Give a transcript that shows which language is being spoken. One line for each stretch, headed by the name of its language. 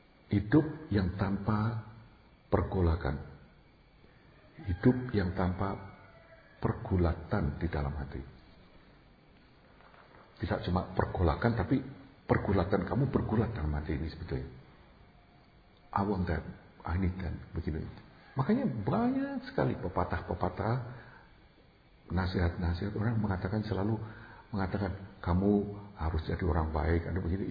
Indonesian: Hidup yang tanpa pergolakan. Hidup yang tanpa pergulatan di dalam hati. Tidak cuma pergolakan, tapi pergulatan kamu bergulat dalam hati ini sebetulnya.
English: I want that, I need that,
Indonesian: begini. Makanya banyak sekali pepatah-pepatah, nasihat-nasihat orang mengatakan, selalu mengatakan kamu harus jadi orang baik, ada begini.